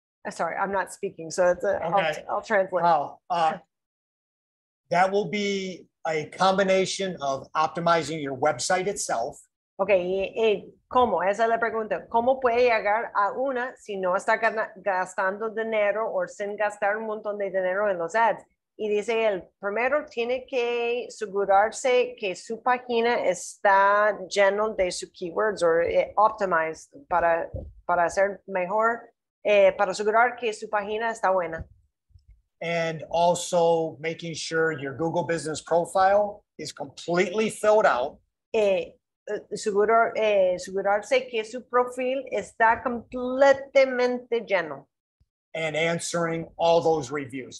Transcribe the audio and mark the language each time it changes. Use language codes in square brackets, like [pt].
[en] Sorry, I'm not speaking, so it's a, okay. I'll translate. How? That will be a combination of optimizing your website itself. [es] Okay, ¿y cómo? Esa es la pregunta. ¿Cómo puede llegar a una si no está gastando dinero o sin gastar un montón de dinero en los ads? Y dice, el primero tiene que asegurarse que su página está lleno de sus keywords o optimized para hacer mejor, para asegurar que su página está buena. [en] And also making sure your Google Business Profile is completely filled out. [es] Asegurarse que su perfil está completamente lleno. [en] and answering all those reviews.